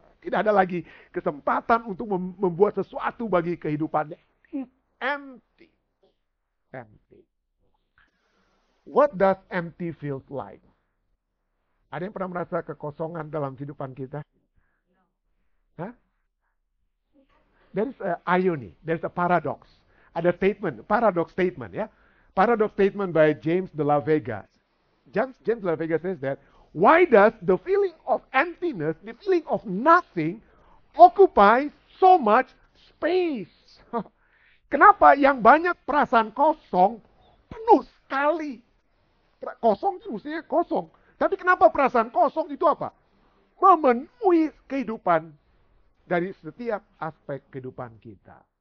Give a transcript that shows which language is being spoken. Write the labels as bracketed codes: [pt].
[id] Tidak ada lagi kesempatan untuk membuat sesuatu bagi kehidupannya. [en] Empty. Empty. What does empty feel like? [id] Ada yang pernah merasa kekosongan dalam kehidupan kita? [en] Hah? There is a irony. There is a paradox. [id] Ada statement. [en] Paradox statement. Ya. Paradox statement by James de la Vega. James de la Vega says that, why does the feeling of emptiness, the feeling of nothing, occupy so much space? [id] Kenapa yang banyak perasaan kosong, penuh sekali? Kosong itu maksudnya kosong. Tapi kenapa perasaan kosong itu apa? Memenuhi kehidupan dari setiap aspek kehidupan kita.